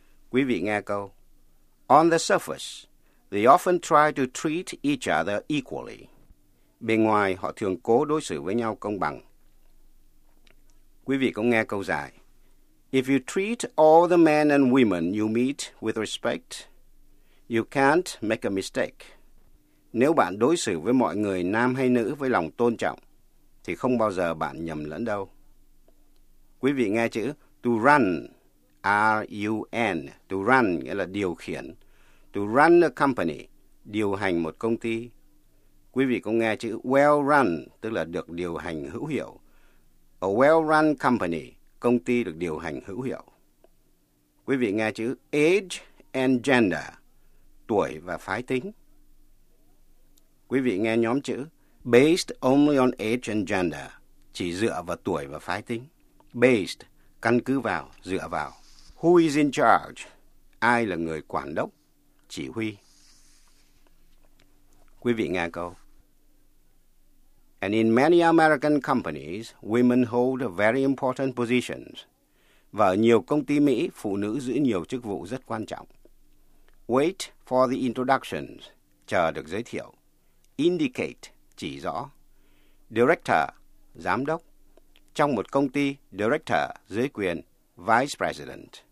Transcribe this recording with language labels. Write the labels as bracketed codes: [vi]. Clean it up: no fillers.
[vi] Quý vị nghe câu: [en] On the surface, they often try to treat each other equally. [vi] Bề ngoài, họ thường cố đối xử với nhau công bằng. Quý vị cũng nghe câu dài. [en] If you treat all the men and women you meet with respect, you can't make a mistake. [vi] Nếu bạn đối xử với mọi người nam hay nữ với lòng tôn trọng, thì không bao giờ bạn nhầm lẫn đâu. Quý vị nghe chữ to run, R-U-N, to run nghĩa là điều khiển. [en] To run a company, [vi] điều hành một công ty. Quý vị cũng nghe chữ [en] well run, [vi] tức là được điều hành hữu hiệu. [en] A well run company, [vi] công ty được điều hành hữu hiệu. Quý vị nghe chữ [en] age and gender, [vi] tuổi và phái tính. Quý vị nghe nhóm chữ [en] based only on age and gender, [vi] chỉ dựa vào tuổi và phái tính. Based, căn cứ vào, dựa vào. [en] Who is in charge, [vi] ai là người quản đốc, chỉ huy. Quý vị nghe câu: [en] And in many American companies, women hold very important positions. [vi] Và ở nhiều công ty Mỹ, phụ nữ giữ nhiều chức vụ rất quan trọng. [en] Wait for the introductions, [vi] chờ được giới thiệu. Indicate, chỉ rõ. Director, giám đốc. Trong một công ty, director, dưới quyền, vice president.